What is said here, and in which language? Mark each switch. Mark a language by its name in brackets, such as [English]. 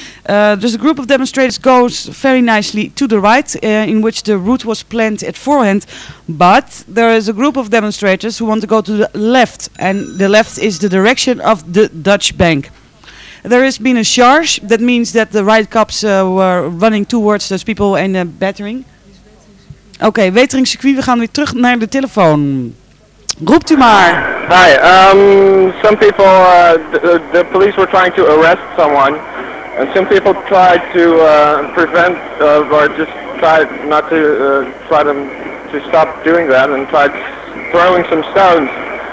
[English] There's a group of demonstrators goes very nicely to the right, in which the route was planned at forehand, but there is a group of demonstrators who want to go to the left, and the left is the direction of the Dutch Bank. There has been a charge, that means that the riot cops were running towards those people and battering. [Dutch] Okay, Wetering Circuit, we gaan weer terug naar de telefoon. Roept u maar. [English] Hi, some people, the police were trying to arrest someone, and some people tried to prevent, or just tried not to try them to stop doing that, and tried throwing some stones.